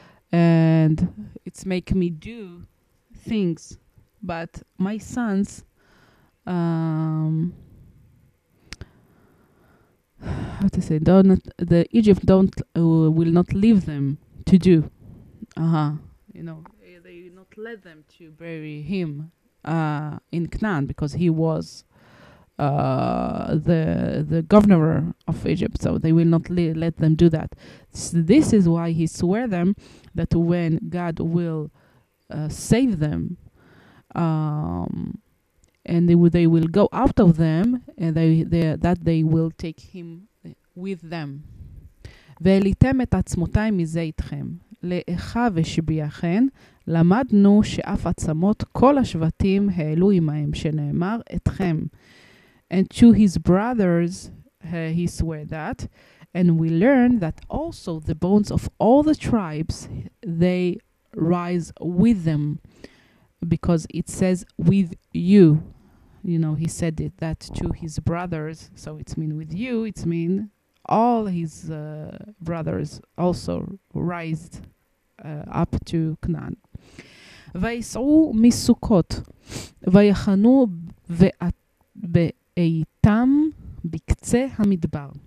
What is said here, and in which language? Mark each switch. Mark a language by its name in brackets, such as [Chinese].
[English] and it's make me do things, but my sons, how to say, will not leave them to do, you know, they will not let them to bury him in Canaan, because he was the governor of Egypt, so they will not let them do that. So this is why he swear them that when God will save them, and they will go out of them, and they will take him with them. [Hebrew] ואליתם את עצמותיי מזה איתכם. לאחיו השביעכן, למדנו שאף עצמות כל השבטים העלו עמהם, שנאמר אתכם. [English] And to his brothers he swore that, and we learn that also the bones of all the tribes, they rise with them, because it says with you. You know, he said it, that to his brothers, so it's mean with you, it's mean all his brothers also rised up to Canaan. [Hebrew] ויסעו מסוכות ויחנו באיתם בקצה המדבר.